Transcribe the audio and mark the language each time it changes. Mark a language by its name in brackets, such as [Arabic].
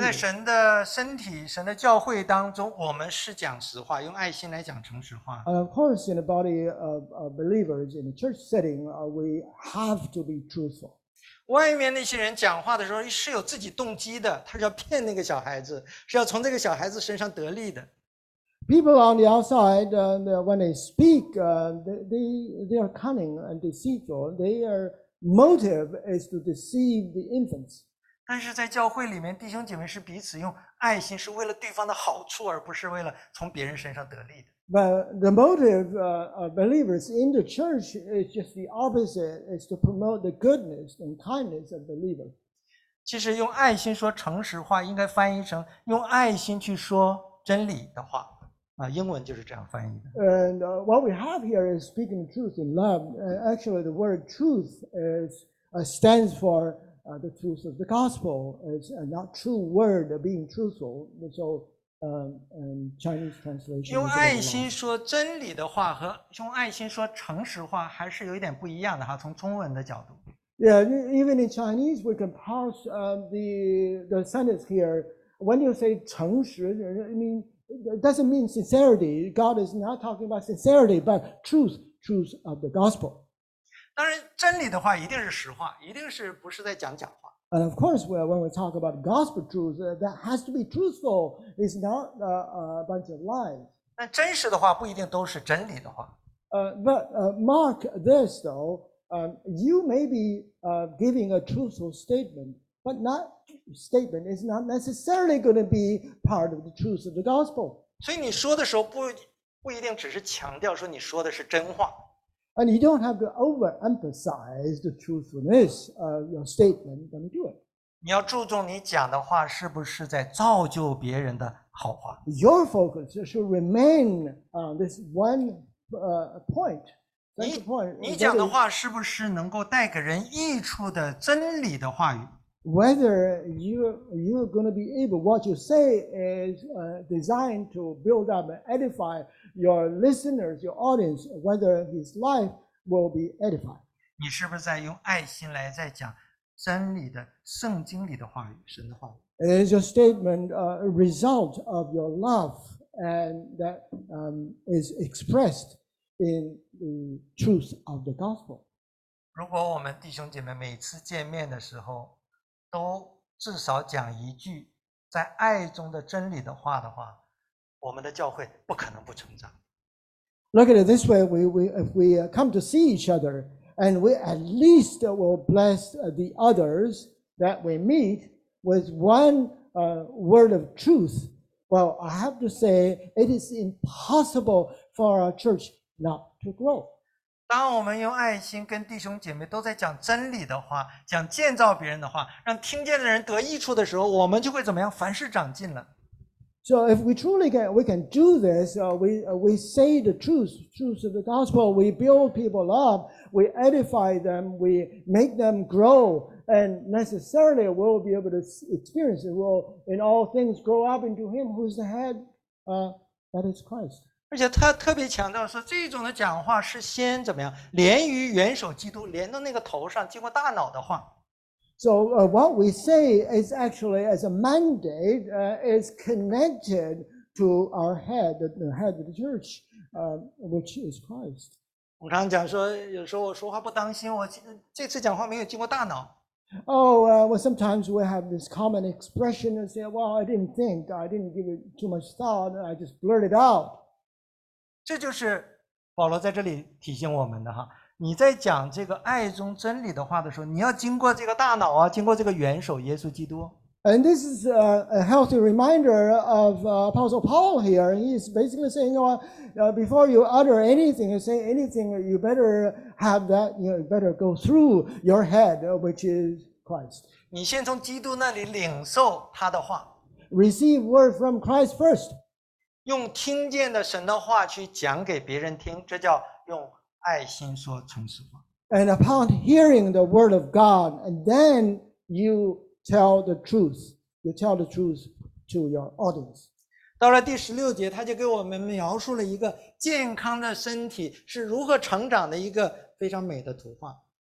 [Chinese] 在神的身体、神的教会当中，我们是讲实话，用爱心来讲诚实话。 [English] Of course, in the body of believers in the church setting, we have to be truthful. [Chinese] 外面那些人讲话的时候是有自己动机的，他是要骗那个小孩子，是要从这个小孩子身上得利的。 [English] People on the outside, when they speak, they are cunning and deceitful. Their motive is to deceive the infants. [Chinese] 但是在教会里面，弟兄姐妹是彼此用爱心，是为了对方的好处，而不是为了从别人身上得利的。 [English] But the motive of believers in the church is just the opposite, is to promote the goodness and kindness of believers. [Chinese] 其实用爱心说诚实话应该翻译成用爱心去说真理的话。英文就是这样翻译的。 [English] And what we have here is speaking the truth in love. Actually, the word truth stands for the truth of the gospel. It's not true word being truthful. So,Chinese translation. [Chinese] 用爱心说真理的话和用爱心说诚实话还是有一点不一样的哈，从中文的角度。 [English] Yeah, even in Chinese, we can parse the sentence here. When you say 诚实 it doesn't mean sincerity. God is not talking about sincerity, but truth of the gospel. [Chinese] 当然，真理的话一定是实话，一定是不是在讲假话。 [English] And of course, when we talk about gospel truth, that has to be truthful. It's not a bunch of lies. [Chinese] 但真实的话不一定都是真理的话。 [English] Mark this though. You may be giving a truthful statement, but not statement is not necessarily going to be part of the truth of the gospel. [Chinese] 所以你说的时候不一定只是强调说你说的是真话。 [English] And you don't have to overemphasize the truthfulness of your statement when you do it. [Chinese] 你要注重你讲的话是不是在造就别人的好话。 [English] Your focus should remain on this one point. That's the point. [Chinese] 你讲的话是不是能够带给人益处的真理的话语？ [English] Whether you're going to be able, what you say is designed to build up and edify. Your listeners, your audience, whether his life will be edified. [Chinese] 你是不是在用爱心来在讲真理的圣经里的话语，神的话语？ [English] Is your statement a result of your love and that is expressed in the truth of the gospel? [Chinese] 如果我们弟兄姐妹每次见面的时候都至少讲一句在爱中的真理的话的话。我们的教会不可能不成长。 [English] Look at it this way: if we come to see each other, and we at least will bless the others that we meet with one word of truth. Well, I have to say, it is impossible for our church not to grow. [Chinese] 当我们用爱心跟弟兄姐妹都在讲真理的话，讲建造别人的话，让听见的人得益处的时候，我们就会怎么样？凡事长进了。 [English] So if we truly can do this, we say the truth of the gospel, we build people up, we edify them, we make them grow, and necessarily we'll be able to experience it. We'll in all things grow up into him who is the head, that is Christ. [Chinese] 而且他特别强调说这种的讲话是先怎么样连于元首基督连到那个头上经过大脑的话 [English] So what we say is actually as a mandate is connected to our head, the head of the church, which is Christ. [Chinese] 我常讲说，有时候我说话不当心，我这次讲话没有经过大脑。 [English] Oh, well, sometimes we have this common expression and say, "Well, I didn't think, I didn't give it too much thought, and I just blurted out." [Chinese] 这就是保罗在这里提醒我们的哈。你在讲这个爱中真理的话的时候，你要经过这个大脑啊，经过这个元首耶稣基督。 [English] And this is a healthy reminder of Apostle Paul here. He's basically saying, well, before you utter anything, you say anything, you better have that, you know, better go through your head, which is Christ. [Chinese] 你先从基督那里领受他的话。 [English] Receive word from Christ first. [Chinese] 用听见的神的话去讲给别人听，这叫用爱心说诚实话。 [English] And upon hearing the word of God, and then you tell the truth. You tell the truth to your audience. [Chinese] 到了第十六节，他就给我们描述了一个健康的身体是如何成长的一个非常美的图画。